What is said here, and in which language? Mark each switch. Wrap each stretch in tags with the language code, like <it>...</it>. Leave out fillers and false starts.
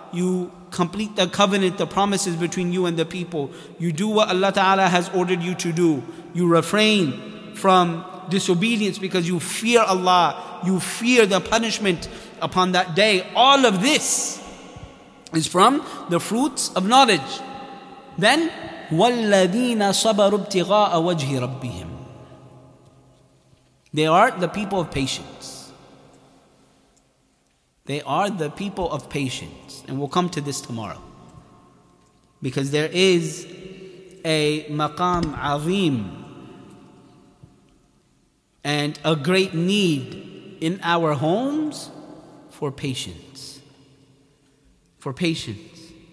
<en>You complete the covenant, the promises between you and the people. You do what Allah Ta'ala has ordered you to do. You refrain from disobedience because you fear Allah. You fear the punishment upon that day. All of this is from the fruits of knowledge. Then,</en> <ar>وَالَّذِينَ صَبَرُوا ابْتِغَاءَ وَجْهِ رَبِّهِمْ.</ar> <en>They are the people of patience. They are the people of patience. And we'll come to this tomorrow. Because there is a maqam azim and a great need in our homes for patience. For patience.</en>